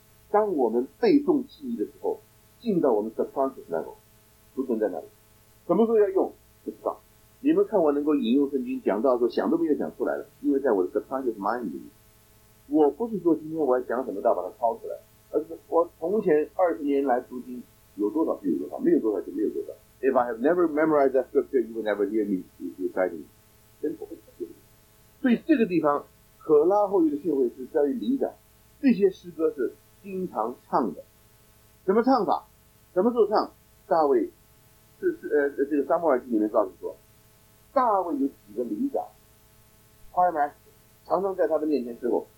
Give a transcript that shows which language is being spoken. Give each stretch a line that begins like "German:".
Chinese: 当我们背诵记忆的时候，进到我们 subconscious level， 储存在那里，什么时候要用不知道。你们看我能够引用圣经讲到的时候，想都没有想出来了，因为在我的 subconscious mind 里面。我不是说今天我要讲什么道把它抄出来，而是我从前二十年来读经有多少就有多少，没有多少就没有多少。
English: If I have never memorized that scripture, you will never hear me reciting.
Chinese: 真不会。所以这个地方，可拉后裔的训诲诗在于灵感，这些诗歌是经常唱的。什么唱法？什么时候唱？大卫，这个撒母耳记里面告诉说，大卫有几个灵感 ，Choir Master 常常在他的面前伺候。